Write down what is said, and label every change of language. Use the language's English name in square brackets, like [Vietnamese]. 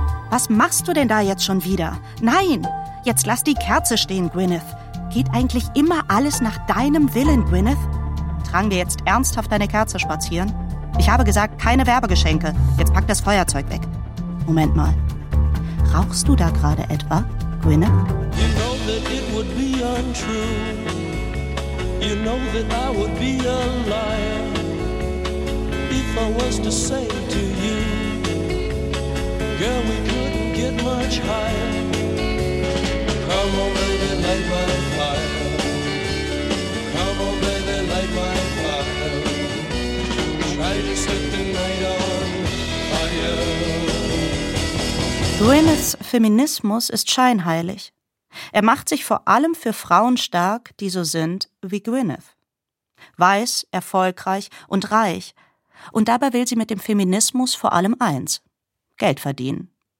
[German] Was machst du denn da jetzt schon wieder? Nein, jetzt lass die Kerze stehen, Gwyneth. Geht eigentlich immer alles nach deinem Willen, Gwyneth? Tragen wir jetzt ernsthaft deine Kerze spazieren? Ich habe gesagt, keine Werbegeschenke. Jetzt pack das Feuerzeug weg. Moment mal. Rauchst du da gerade etwa, Gwyneth? [English] You know that it would be untrue. You know that I would be a liar. If I was to say to you, girl, we couldn't get much higher. Come on, baby, light my fire. Come on, baby, light my fire. Try to set the night on fire. [German] Gwyneths Feminismus ist scheinheilig. Er macht sich vor allem für Frauen stark, die so sind wie Gwyneth. Weiß, erfolgreich und reich. Und dabei will sie mit dem Feminismus vor allem eins: Geld verdienen.